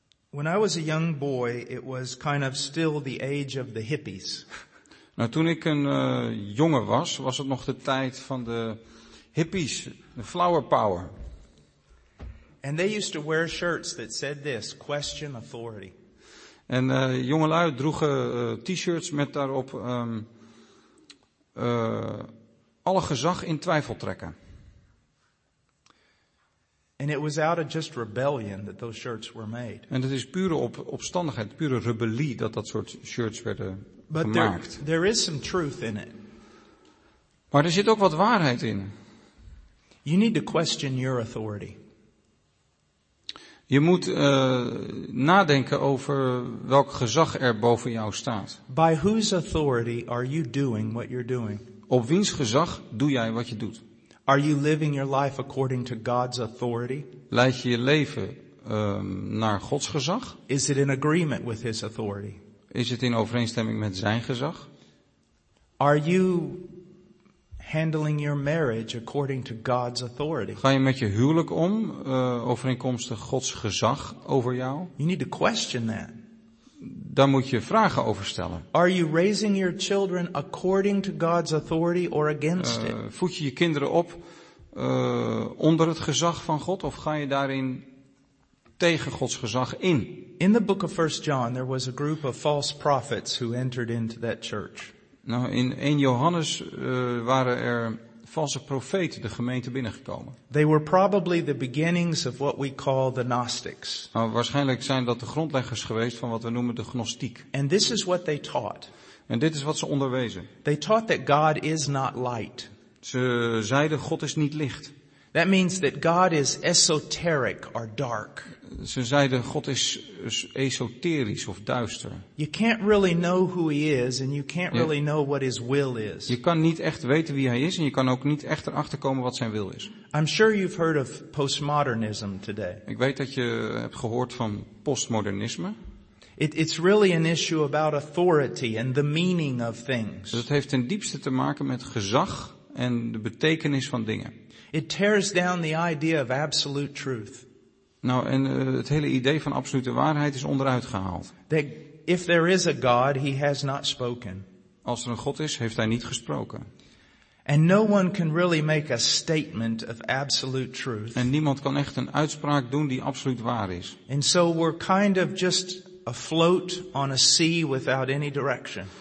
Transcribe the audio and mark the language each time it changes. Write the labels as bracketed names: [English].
[English] When I was a young boy, it was kind of still the age of the hippies. [Dutch] Nou, toen ik een jongen was, was het nog de tijd van de hippies, de flower power. [English] And they used to wear shirts that said this, question authority. [Dutch] En jongelui droegen t-shirts met daarop alle gezag in twijfel trekken. [English] And it was out of just rebellion that those shirts were made. [Dutch] En het is pure opstandigheid, pure rebellie dat soort shirts werden gemaakt. [English] There is some truth in it. [Dutch] Maar er zit ook wat waarheid in. [English] You need to question your authority. [Dutch] Je moet nadenken over welk gezag er boven jou staat. [English] By whose authority are you doing what you're doing? [Dutch] Op wiens gezag doe jij wat je doet? [English] Are you living your life according to God's authority? [Dutch] Leid je leven naar Gods gezag? [English] Is it in agreement with his authority? [Dutch] Is het in overeenstemming met zijn gezag? [English] Are you handling your marriage according to God's authority? [Dutch] Ga je met je huwelijk om overeenkomstig Gods gezag over jou? [English] You need to question that. [Dutch] Daar moet je vragen over stellen. [English] Are you raising your children according to God's authority or against it? [Dutch] Voed je kinderen op onder het gezag van God of ga je daarin tegen Gods gezag in? [English] In the book of 1 John there was a group of false prophets who entered into that church. [Dutch] Nou, in 1 Johannes waren er valse profeten de gemeente binnengekomen. [English] They were probably the beginnings of what we call the Gnostics. [Dutch] Nou, waarschijnlijk zijn dat de grondleggers geweest van wat we noemen de gnostiek. [English] And this is what they taught. [Dutch] En dit is wat ze onderwezen. [English] They taught that God is not light. [Dutch] Ze zeiden God is niet licht. [English] That means that God is esoteric or dark. [Dutch] Ze zeiden God is esoterisch of duister. [English] You can't really know who he is and you can't really know what his will is. [Dutch] Je kan niet echt weten wie hij is en je kan ook niet echt erachter komen wat zijn wil is. [English] I'm sure you've heard of postmodernism today. [Dutch] Ik weet dat je hebt gehoord van postmodernisme. [English] It's really an issue about authority and the meaning of things. [Dutch] Dat heeft ten diepste te maken met gezag en de betekenis van dingen. [English] It tears down the idea of absolute truth. [Dutch] Nou, en het hele idee van absolute waarheid is onderuit gehaald. [English] That if there is a God, he has not spoken. [Dutch] Als er een God is, heeft hij niet gesproken. [English] And no one can really make a statement of absolute truth. [Dutch] En niemand kan echt een uitspraak doen die absoluut waar is. [English] And so we're kind of just afloat on a sea without any direction.